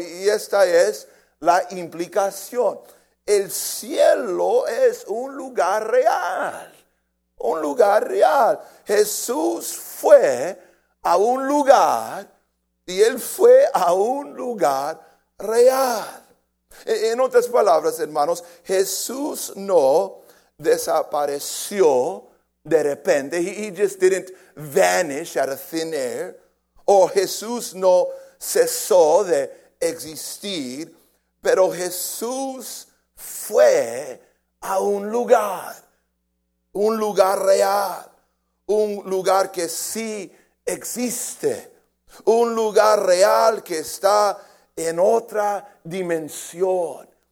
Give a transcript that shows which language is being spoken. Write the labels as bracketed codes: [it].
[es] Y esta es la implicación. El cielo es un lugar real, un lugar real. Jesús fue a un lugar y Él fue a un lugar real. En otras palabras, hermanos, Jesús no desapareció de repente. [en] He just didn't vanish out of thin air. [es] O Jesús no cesó de existir. Pero Jesús fue a un lugar real, un lugar que sí existe, un lugar real que está en otra dimensión.